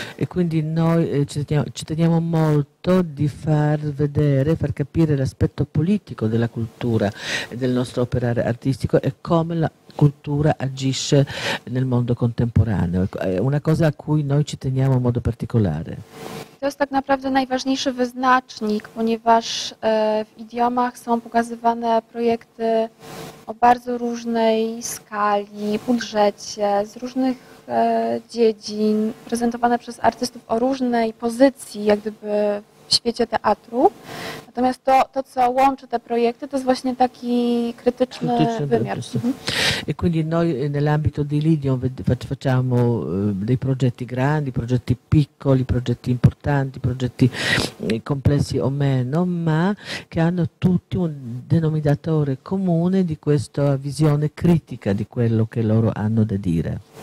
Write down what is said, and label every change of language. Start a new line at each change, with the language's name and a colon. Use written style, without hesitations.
Italian: E quindi noi ci teniamo molto di far vedere, far capire l'aspetto politico della cultura e del nostro operare artistico e come la cultura agisce nel mondo contemporaneo. È una cosa a cui noi ci teniamo in modo particolare.
Polish: To jest tak naprawdę najważniejszy wyznacznik, ponieważ w idiomach są pokazywane projekty o bardzo różnej skali, budżecie, z różnych dziedzin, prezentowane przez artystów o różnej pozycji, jak gdyby w świecie teatru. Natomiast to co łączy te projekty, to jest właśnie taki krytyczny wymiar.
Italian: E quindi noi nell'ambito di Lidion facciamo dei progetti grandi, progetti piccoli, progetti importanti, progetti complessi o meno, ma che hanno tutti un denominatore comune di questa visione critica di quello che loro hanno da dire.